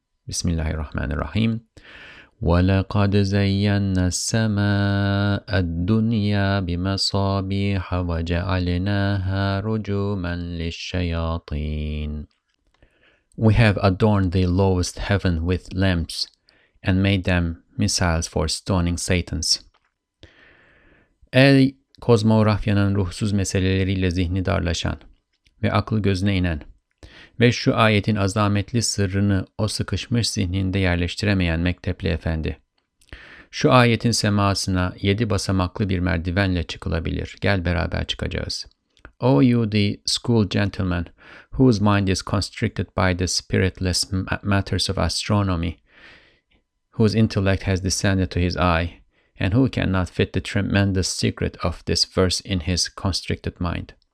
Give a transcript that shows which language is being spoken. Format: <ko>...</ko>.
<ar>Bismillahirrahmanirrahim. وَلَقَدْ زَيَّنَّا السَّمَاءَ الدُّنْيَا بِمَصَابِيحَ وَجَعَلْنَاهَا رُجُومًا لِلشَّيَاطِينَ</ar> <en>We have adorned the lowest heaven with lamps and made them missiles for stoning Satans.</en> <tr>Ey kozmografyanın ruhsuz meseleleriyle zihni darlaşan ve aklı gözüne inen ve şu ayetin azametli sırrını o sıkışmış zihninde yerleştiremeyen mektepli efendi. Şu ayetin semasına 7 basamaklı bir merdivenle çıkılabilir. Gel beraber çıkacağız.</tr> <en>O you the school gentleman whose mind is constricted by the spiritless matters of astronomy, whose intellect has descended to his eye, and who cannot fit the tremendous secret of this verse in his constricted mind.</en>